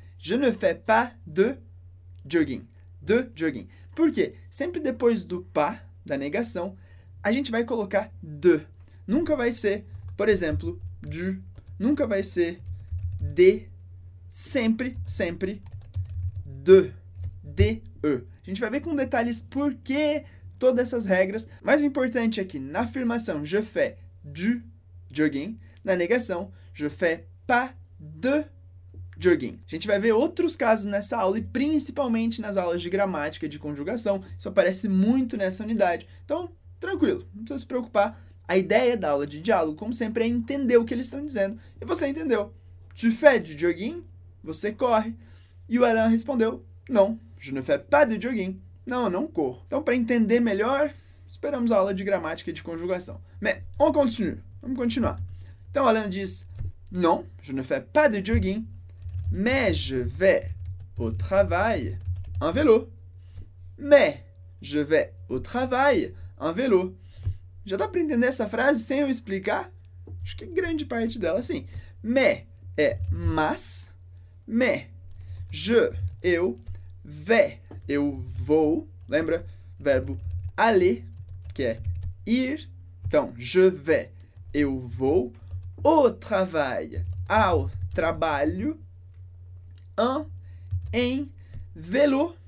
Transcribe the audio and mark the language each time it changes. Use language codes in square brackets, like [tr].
[fr] Je ne fais pas de jogging. [pt] De jogging. Por quê? Sempre depois do pas, da negação, a gente vai colocar de. Nunca vai ser, por exemplo, du. Nunca vai ser de. Sempre, sempre, de. De. A gente vai ver com detalhes por que todas essas regras. Mas o importante é que na afirmação, [fr] je fais du jogging. [pt] Na negação, [fr] je fais pas de jogging. [pt] A gente vai ver outros casos nessa aula e principalmente nas aulas de gramática e de conjugação. Isso aparece muito nessa unidade. Então, tranquilo, não precisa se preocupar. A ideia da aula de diálogo, como sempre, é entender o que eles estão dizendo. E você entendeu. [fr] Tu fais du jogging? [pt] Você corre. E o Alain respondeu, não. [fr] Je ne fais pas de jogging. [pt] Não, eu não corro. Então, para entender melhor, esperamos a aula de gramática e de conjugação. [fr] Mais, on continue. [pt] Vamos continuar. Então, Alain diz, [fr] non, je ne fais pas de jogging, mais je vais au travail en vélo. Mais je vais au travail en vélo. [pt] Já dá para entender essa frase sem eu explicar? Acho que grande parte dela, sim. Mais é mas, mais, je, eu, vais, eu vou, lembra? Verbo aller, que é ir. Então, [fr] je vais, [pt] eu vou, au travail, ao trabalho, em vélo.